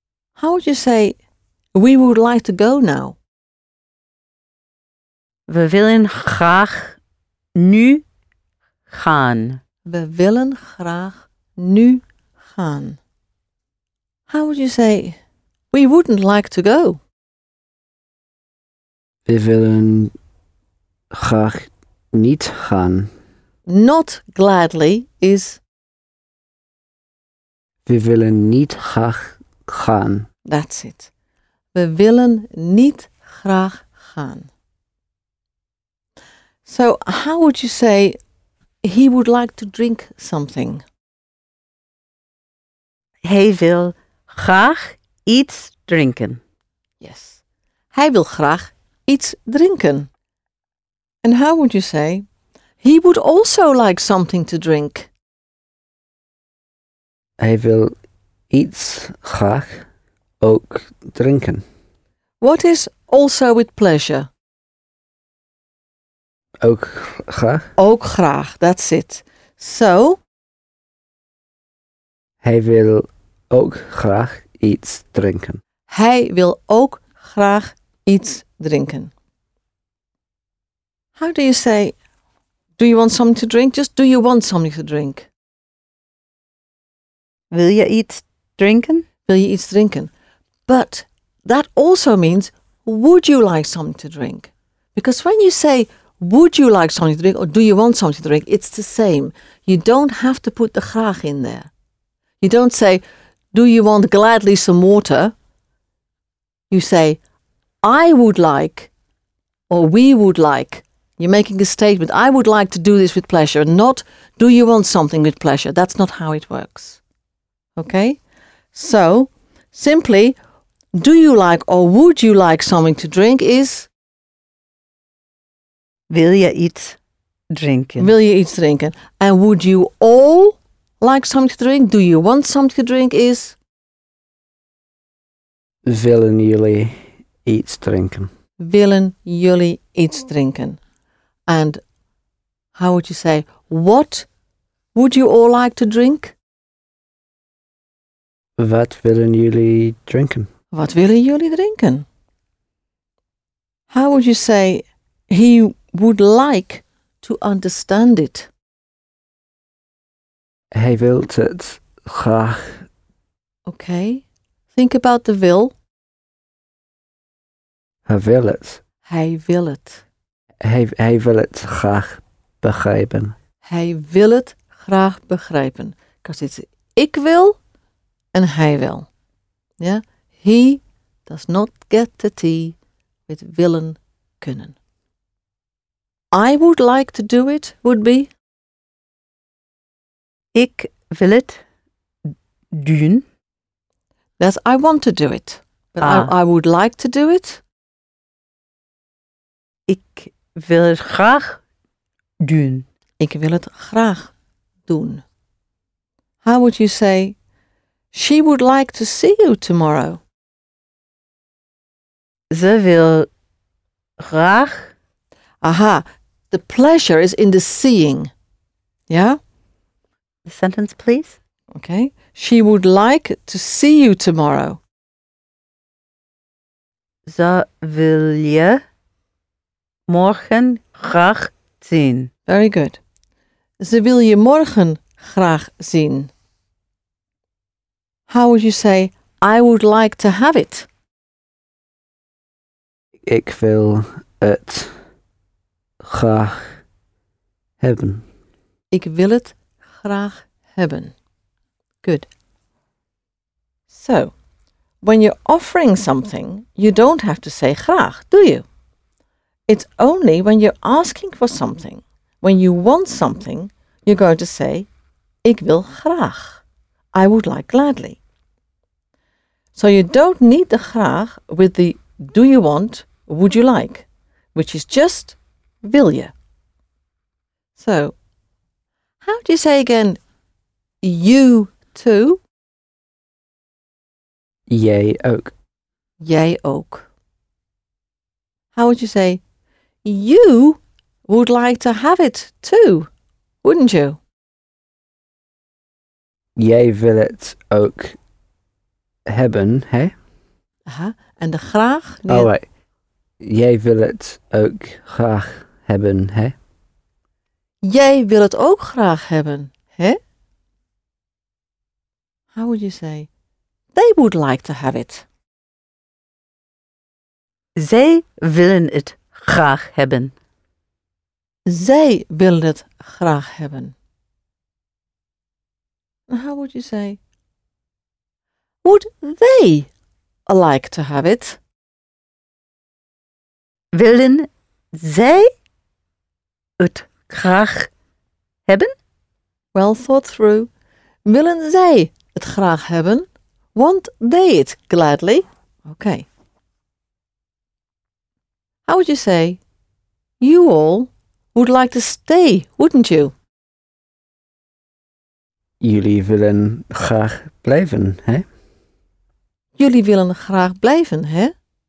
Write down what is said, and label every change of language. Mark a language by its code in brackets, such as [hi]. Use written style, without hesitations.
[en] How would you say, we would like to go now? [nl] We willen graag nu gaan. We willen graag nu gaan. [en] How would you say, we wouldn't like to go? [nl] We willen graag niet gaan. [en] Not gladly is? [nl] We willen niet graag gaan. [en] That's it. [nl] We willen niet graag gaan. [en] So, how would you say, he would like to drink something? [nl] Hij wil graag iets drinken. [en] Yes. [nl] Hij wil graag iets drinken. [en] And how would you say, he would also like something to drink? [nl] Hij wil iets graag ook drinken. [en] What is also with pleasure? [nl] Ook graag. Ook graag, [en] that's it. So? [nl] Hij wil ook graag iets drinken. Hij wil ook graag iets drinken. [en] How do you say, do you want something to drink? Just do you want something to drink? [nl] Wil je iets drinken? Wil je iets drinken? [en] But that also means, would you like something to drink? Because when you say, would you like something to drink or do you want something to drink? It's the same. You don't have to put the graag in there. You don't say, do you want gladly some water? You say, I would like or we would like. You're making a statement. I would like to do this with pleasure. Not, do you want something with pleasure? That's not how it works. Okay? So, simply, do you like or would you like something to drink is... [nl] Wil je iets drinken? Wil je iets drinken? [en] And would you all like something to drink? Do you want something to drink? Is [nl] willen jullie iets drinken? Willen jullie iets drinken? [en] And how would you say, what would you all like to drink? [nl] Wat willen jullie drinken? Wat willen jullie drinken? [en] How would you say, he would like to understand it? [nl] Hij wil het graag. [en] Okay, think about the will. [nl] Hij wil het. Hij wil het. Hij wil het graag begrijpen. Hij wil het graag begrijpen. [en] Because it's [nl] ik wil en hij wil. [en] Yeah? He does not get the tea with [nl] willen kunnen. [en] I would like to do it would be. [nl] Ik wil het doen. [en] That's I want to do it. But ah. I would like to do it. [nl] Ik wil het graag doen. Ik wil het graag doen. [en] How would you say, she would like to see you tomorrow? [nl] Ze wil graag. [en] Aha, the pleasure is in the seeing. Yeah? The sentence, please. Okay. She would like to see you tomorrow. [nl] Ze wil je morgen graag zien. [en] Very good. [nl] Ze wil je morgen graag zien. [en] How would you say, I would like to have it? [nl] Ik wil het graag hebben. Ik wil het graag hebben. [en] Good. So, when you're offering something, you don't have to say graag, do you? It's only when you're asking for something, when you want something, you're going to say, [nl] ik wil graag. [en] I would like gladly. So you don't need the graag with the do you want, would you like, which is just [nl] wil je. [en] So, how do you say again, you too? [nl] Jij ook. Jij ook. [en] How would you say, you would like to have it too, wouldn't you? [nl] Jij wil het ook hebben, hè? Aha, en de graag? [en] Oh, right. [nl] Jij wil het ook graag hebben, hè? Jij wil het ook graag hebben, hè? [en] How would you say? They would like to have it. [nl] Zij willen het graag hebben. Zij willen het graag hebben. [en] How would you say? Would they like to have it? [nl] Willen zij het graag hebben? [en] Well thought through. [nl] Willen zij het graag hebben? [en] Want they it gladly? Okay. How would you say, you all would like to stay, wouldn't you? [nl] Jullie willen graag blijven, hè? Jullie willen graag blijven, hè?